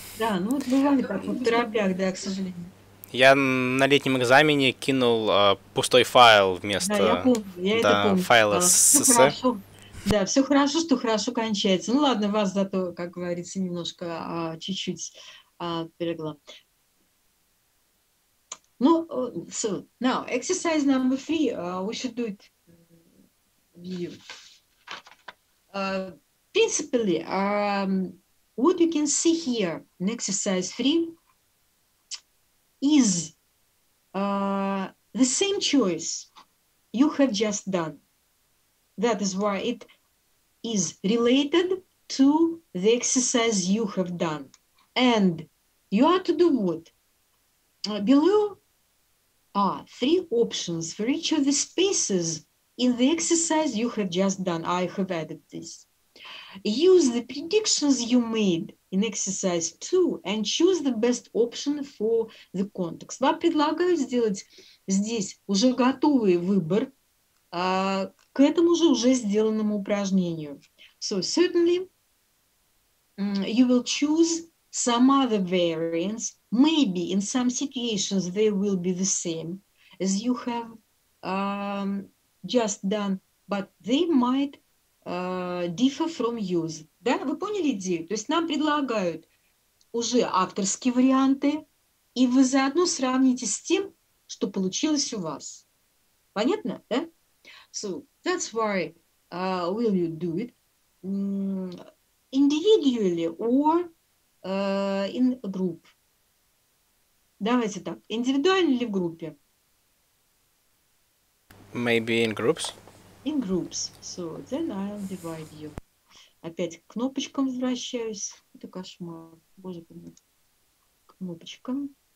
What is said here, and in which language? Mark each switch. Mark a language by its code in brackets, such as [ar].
[ru] Да, ну вот бывали так, вот в торопях, да, к сожалению. Я на летнем экзамене кинул пустой файл вместо файла с СС. Да, все хорошо, что хорошо кончается. Ну ладно, вас зато, как говорится, немножко, чуть-чуть отперегла. Ну, [en] so, now, exercise number three, we should do it with you. Principally, what you can see here in exercise three is the same choice you have just done. That is why it is related to the exercise you have done. And you are to do what? Below are three options for each of the spaces in the exercise you have just done. I have added this. Use the predictions you made in exercise two and choose the best option for the context. [ru] Вам предлагаю сделать здесь уже готовый выбор к этому же уже сделанному упражнению. [en] So certainly you will choose some other variants. Maybe in some situations they will be the same as you have just done, but they might differ from use. [ru] Да, вы поняли идею? То есть нам предлагают уже авторские варианты, и вы заодно сравните с тем, что получилось у вас. Понятно, да? [en] So that's why will you do it individually or in a group? [ru] Давайте так, индивидуально или в группе? [en] Maybe in groups. In groups. So then I'll divide you. [ru] Опять к кнопочкам возвращаюсь. Это кошмар. Боже мой. К кнопочкам.